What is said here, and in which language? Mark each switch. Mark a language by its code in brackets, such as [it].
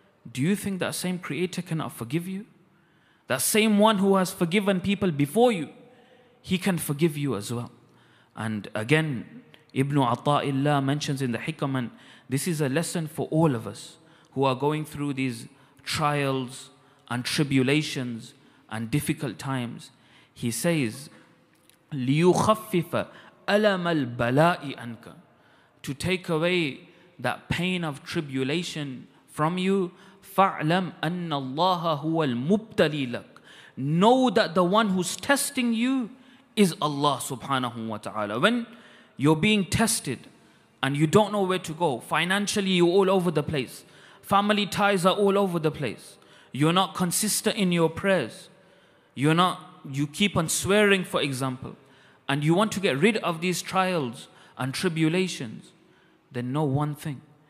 [en] Do you think that same creator cannot forgive you? That same one who has forgiven people before you, he can forgive you as well. And again, Ibn Ata'illah mentions in the Hikam, and this is a lesson for all of us who are going through these trials and tribulations and difficult times. [ar] He says, لِيُخَفِّفَ أَلَمَ الْبَلَاءِ أَنْكَ. [en] To take away that pain of tribulation from you, [ar] فَعْلَمْ أَنَّ اللَّهَ هُوَ الْمُبْتَلِي لَكَ. [en] know that the one who's testing you is Allah subhanahu wa ta'ala. When you're being tested and you don't know where to go, financially you're all over the place, family ties are all over the place, you're not consistent in your prayers, you keep on swearing, for example, and you want to get rid of these trials and tribulations, then know one thing.